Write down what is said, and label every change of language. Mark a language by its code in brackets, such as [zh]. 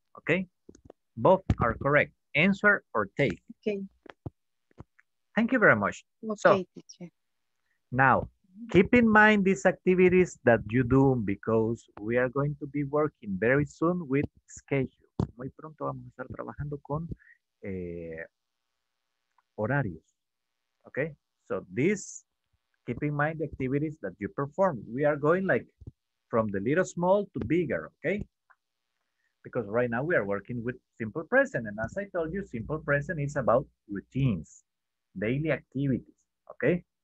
[en] Okay. Both are correct. Answer or take. Okay. Thank you very much. Okay, so, teacher. Now, keep in mind these activities that you do because we are going to be working very soon with schedule. [es] Muy pronto vamos a estar trabajando con horarios. [en] Okay? So this, keep in mind the activities that you perform. We are going like from the little small to bigger, okay? Because right now we are working with simple present. And as I told you, simple present is about routines, daily activities, okay?